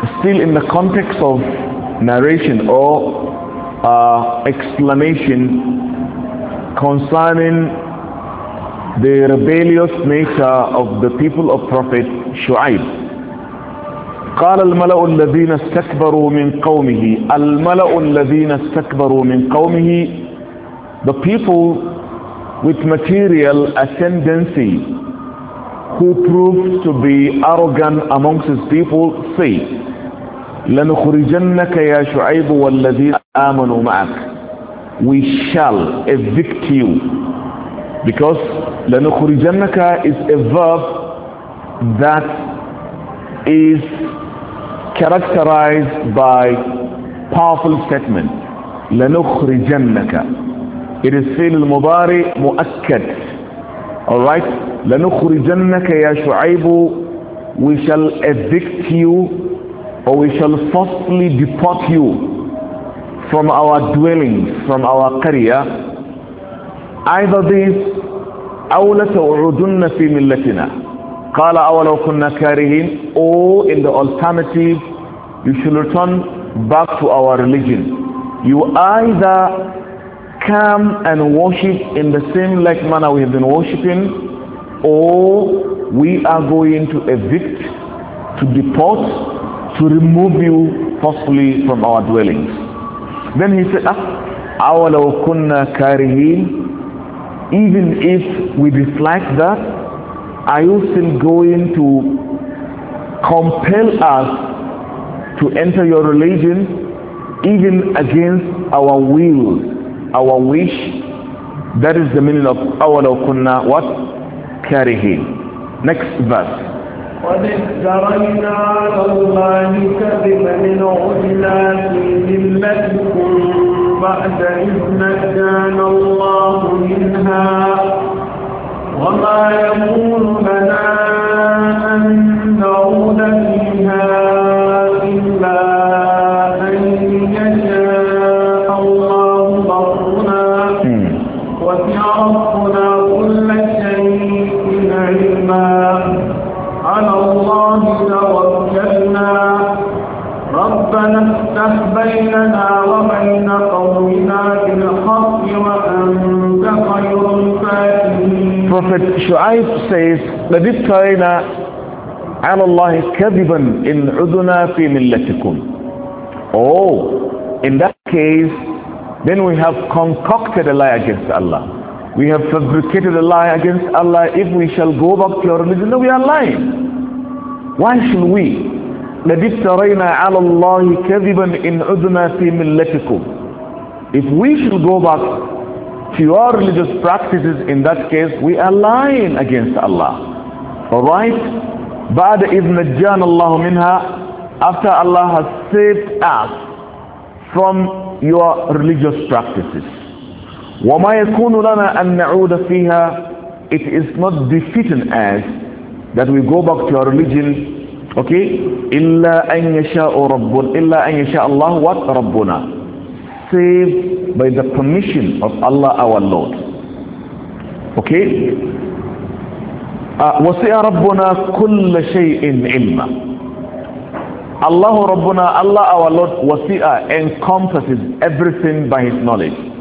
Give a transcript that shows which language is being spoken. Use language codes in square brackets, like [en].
[en] Still in the context of narration or explanation concerning the rebellious nature of the people of Prophet Shu'aib. [ar] قال الملأ الذين استكبروا من قومه. الملأ الذين استكبروا من قومه. [en] The people with material ascendancy who proved to be arrogant amongst his people say, [ar] لنخرجنك يا شعيب والذين آمنوا معك. [en] We shall evict you. Because لَنُخُرِجَنَّكَ is a verb that is characterized by powerful statement. [ar] لَنُخُرِجَنَّكَ. [en] It is [ar] فعل المضارع مؤكد. Alright. لَنُخُرِجَنَّكَ يَا شُعَيْبُ. [en] We shall evict you, or we shall forcefully deport you from our dwellings, from our qariya. Either this [ar] أو لتعودن في ملتنا. قال أولو كنا كارهين. [en] Oh, in the alternative, you should return back to our religion. You either come and worship in the same like manner we have been worshiping, or we are going to evict, to deport, to remove you forcefully from our dwellings. Then he said, [ar] أولو كنا كارهين. [en] Even if we dislike that, are you still going to compel us to enter your religion even against our will, our wish? That is the meaning of awalaw kunna what? كارهين. Next verse. [ar] قد افترينا على الله كذبا إن عدنا في ملتكم بعد إذ نجانا الله منها وما يكون لنا أن نعود فيها إلا أن يشاء الله ربنا وسع ربنا كل شيء علما على الله توكلنا ربنا افتح بيننا وبين قومنا بالحق وأنت خير الفاتحين. [en] Prophet Shu'aib says, [ar] قد افترينا على الله كذبا إن عدنا في ملتكم. [en] Oh, in that case, then we have concocted a lie against Allah. We have fabricated a lie against Allah. If we shall go back to our religion, then we are lying. Why should we? [ar] قد افترينا على الله كذبا إن عدنا في ملتكم. [en] If we shall go back to our religious practices, in that case, we are lying against Allah. All right? [ar] بعد إذ نجانا الله منها, [en] after Allah has saved us from your religious practices. [ar] وما يكون لنا أن نعود فيها, [en] it is not befitting us that we go back to our religion, okay? [ar] إلا أن يشاء ربنا, إلا أن يشاء الله what ربنا. [en] Save by the permission of Allah our Lord. [ar] Okay? وَسِعَ رَبُّنَا كُلَّ شَيْءٍ عِلْمًا. [en] Allah رَبُّنَا, Allah our Lord, وَسِعَ encompasses everything by His knowledge.